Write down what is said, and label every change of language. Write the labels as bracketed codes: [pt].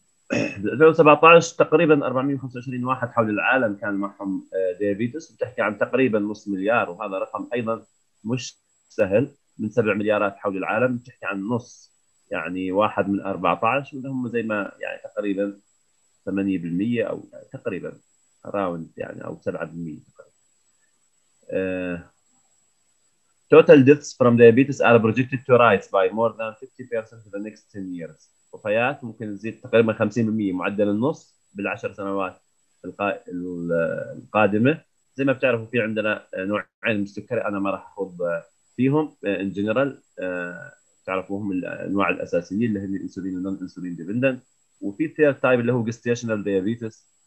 [ar] ب 2017 تقريبا 425 واحد حول العالم كان معهم ديابيتس، بتحكي عن تقريبا نص مليار، وهذا رقم ايضا مش سهل، من 7 مليارات حول العالم بتحكي عن نص، يعني واحد من 14 اللي هم زي ما يعني تقريبا 8% او تقريبا راوند يعني او 7% تقريبا. [en] Total deaths from diabetes are projected to rise by more than 50% in the next 10 years. [ar] وفيات ممكن تزيد تقريبا 50% معدل النص بالعشر سنوات القادمة. زي ما بتعرفوا في عندنا نوعين من السكري أنا ما راح أخوض فيهم [en] in general، [ar] تعرفوهم الأنواع الأساسية اللي هي الإنسولين والنون إنسولين ديبندنت، وفي [en] third type [ar] اللي هو gestational diabetes.